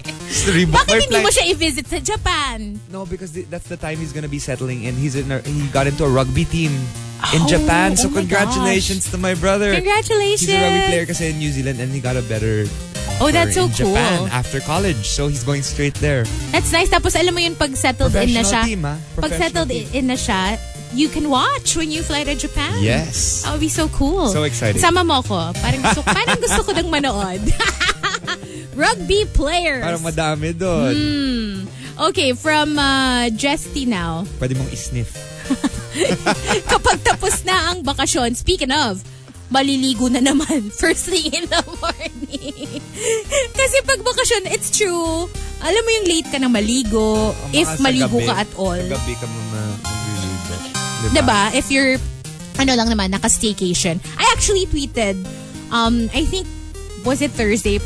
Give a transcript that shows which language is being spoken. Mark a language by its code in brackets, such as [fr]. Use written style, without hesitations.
[tl] Bakit hindi mo siya i-visit sa Japan? [en] No, because that's the time he's gonna be settling in. He got into a rugby team in Japan. So, oh congratulations gosh. To my brother. Congratulations. He's a rugby player kasi in New Zealand and he got a better oh, that's so in cool. Japan after college. So, he's going straight there. That's nice. [tl] Tapos, alam mo yun, pag settled in na siya. [en] Team, [tl] pag settled [en] team. [tl] In na siya, [en] you can watch when you fly to Japan. Yes. That would be so cool. So exciting. [tl] Sama mo ko. Parang gusto ko ng manood. [en] Rugby players. [tl] Parang madami doon. [en] Hmm. Okay, from Jesty now. [tl] Pwede mong isniff. Kapag tapos na ang bakasyon, [en] speaking of, [tl] maliligo na naman. [en] First thing in the morning. [tl] Kasi pag bakasyon, [en] it's true. [tl] Alam mo yung late ka na maligo, if maligo gabi, ka at all. Sa gabi ka muna maligo. Diba? [en] If you're, [tl] ano lang naman, naka-staycation. [en] I actually tweeted, I think, was it Thursday?